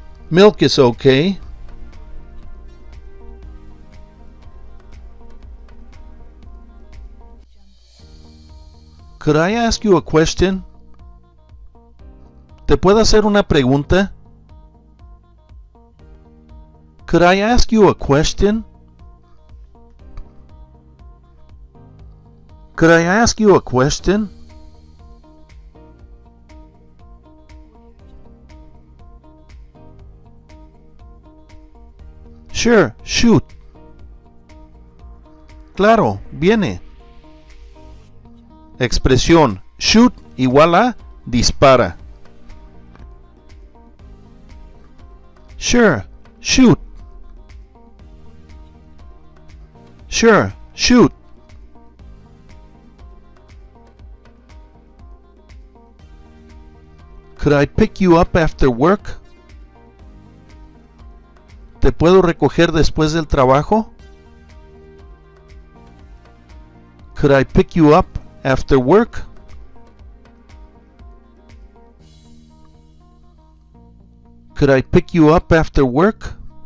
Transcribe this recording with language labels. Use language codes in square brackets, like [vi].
[en] Milk is okay. Could I ask you a question? [es] ¿Te puedo hacer una pregunta? [en] Could I ask you a question? Could I ask you a question? Sure, shoot. [es] Claro, viene. Expresión shoot igual a dispara. [en] Sure, shoot. Sure, shoot. Could I pick you up after work? [es] ¿Te puedo recoger después del trabajo? [en] Could I pick you up after work? Could I pick you up after work?